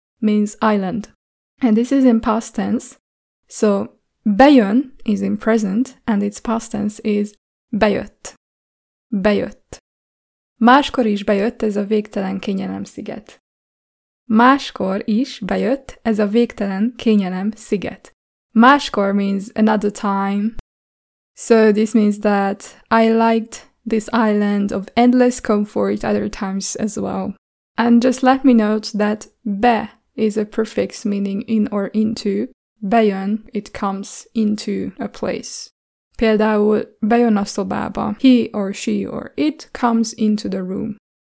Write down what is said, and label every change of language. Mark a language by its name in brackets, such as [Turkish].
[English] means island. And this is in past tense. So, bejön is in present and its past tense is bejött. Bejött. [Hungarian] Máskor is bejött ez a végtelen kényelem sziget. Máskor is bejött ez a végtelen kényelem sziget. [English] Máskor means another time. So this means that I liked this island of endless comfort other times as well. And just let me note that be is a prefix meaning in or into. Bejön, it comes into a place. [Hungarian] Például, bejön a szobába. [English] He or she or it comes into the room.